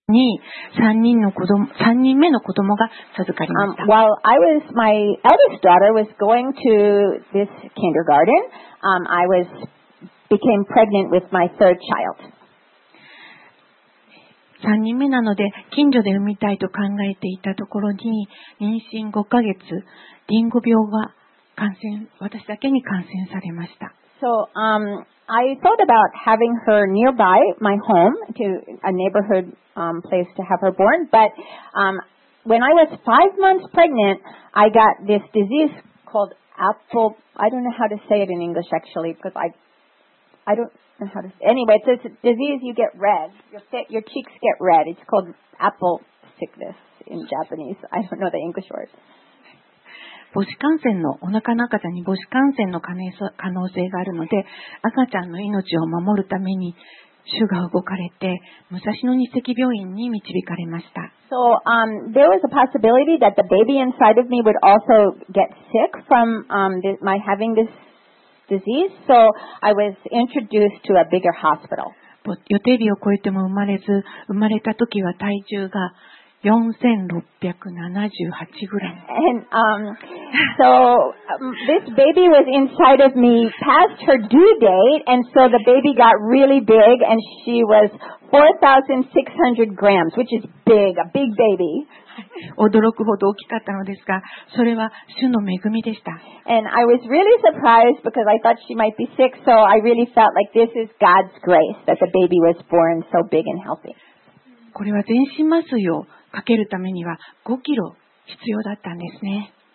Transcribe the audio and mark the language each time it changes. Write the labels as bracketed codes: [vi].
[ja] に3人の子供、3人目の子供が授かりました。 [en] While I was, my eldest daughter was going to this kindergarten, I was, became pregnant with my third child. [ja] 3人目なので、近所で産みたいと考えていたところに、妊娠5ヶ月、リンゴ病が感染、私だけに感染されました。 [en] So, I thought about having her nearby my home, to a neighborhood, place to have her born, but, when I was 5 months pregnant, I got this disease called apple, I don't know how to say it in English actually, because I don't know how to say it. Anyway, it's a disease you get red, your cheeks get red, it's called apple sickness in Japanese, I don't know the English word. [ja] 母子感染のお腹の赤ちゃんに母子感染の可能性があるので、赤ちゃんの命を守るために主が動かれて武蔵野日赤病院に導かれました。 [en] So, there was a possibility that the baby inside of me would also get sick from, my having this disease. So I was introduced to a bigger hospital. [ja] 予定日を超えても生まれず、生まれた時は体重が4678グラム。 [en] And so this baby was inside of me past her due date, and so the baby got really big, and she was 4,600 grams, which is big, a big baby. [ja] 驚くほど大きかったのですが、それは主の恵みでした。 [en] And I was really surprised because I thought she might be sick, so I really felt like this is God's grace that the baby was born so big and healthy. [ja] これは全身麻酔をかけるためには5キロ必要だったんですね。